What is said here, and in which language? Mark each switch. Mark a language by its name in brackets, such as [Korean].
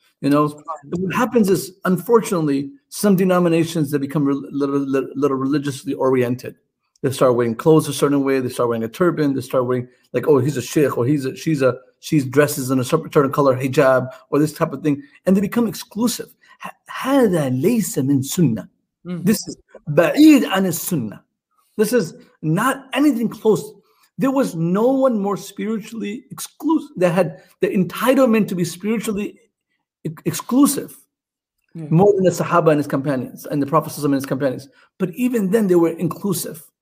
[English] You know, what happens is, unfortunately, some denominations that become a little religiously oriented. They start wearing clothes a certain way. They start wearing a turban. They start wearing like, oh, he's a sheikh, or she's dresses in a certain color hijab, or this type of thing, and they become exclusive. [Arabic] هذا ليس من سنة. [English] This is [Arabic] بعيد عن السنة. [English] This is not anything close. There was no one more spiritually exclusive that had the entitlement to be spiritually exclusive. More than the Sahaba and his companions, and the Prophet and his companions. But even then, they were inclusive.